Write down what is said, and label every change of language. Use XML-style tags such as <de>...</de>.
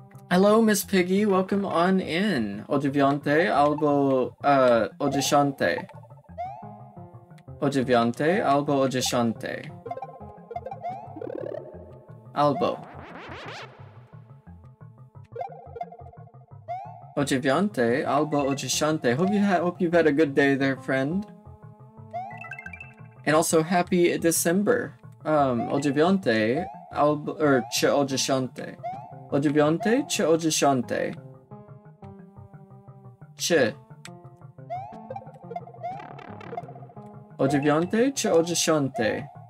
<en>Hello, Miss Piggy, welcome on in.</en> <pl>O dziewiątej albo o dziesiątej. O dziewiątej albo o dziesiątej. Albo. O dziewiątej albo o dziesiątej.</pl> <en>Hope you've had a good day there, friend. And also happy December.</en> <pl>O dziewiątej albo czy o dziesiątej. O dziewiątej czy o dziesiątej. Czy. O dziewiątej czy o dziesiątej?</pl>